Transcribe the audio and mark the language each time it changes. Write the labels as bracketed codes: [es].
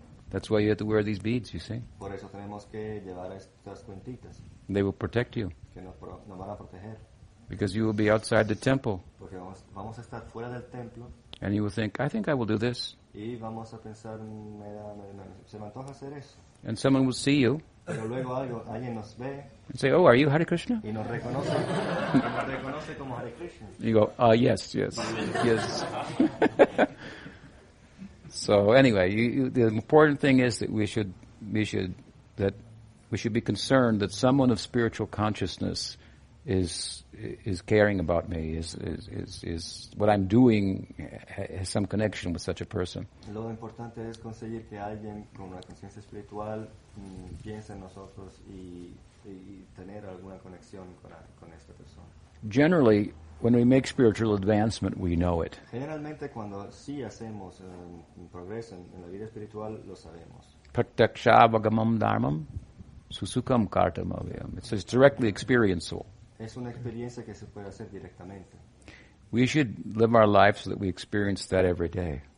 [en] That's why you have to wear these beads, you see. [es] Por eso tenemos que llevar estas cuentitas. [en] They will protect you. [es] Que nos van a proteger. [en] Because you will be outside the temple. [es] Porque vamos a estar fuera del templo. [en] And you will think, I think I will do this. [es] Y vamos a pensar, se me antoja hacer eso. [en] And someone will see you. [es] Pero luego alguien nos ve. [en] And say, oh, are you Hare Krishna? [es] Y nos reconoce. Y nos reconoce como Hare Krishna. [en] You go, yes, yes, yes. So anyway, the important thing is that we should be concerned that someone of spiritual consciousness is caring about me, is what I'm doing has some connection with such a person. [es] Lo importante es conseguir que alguien con una conciencia espiritual piense en nosotros y tener alguna conexión con esta persona. [en] Generally, when we make spiritual advancement, we know it. [es] Generalmente, cuando sí hacemos progreso en la vida espiritual, lo sabemos. [sa] Pratyakshavagamam dharmam susukam kartam avyam. [en] It's directly experiential. [es] Es una experiencia que se puede hacer directamente. [en] We should live our life so that we experience that every day.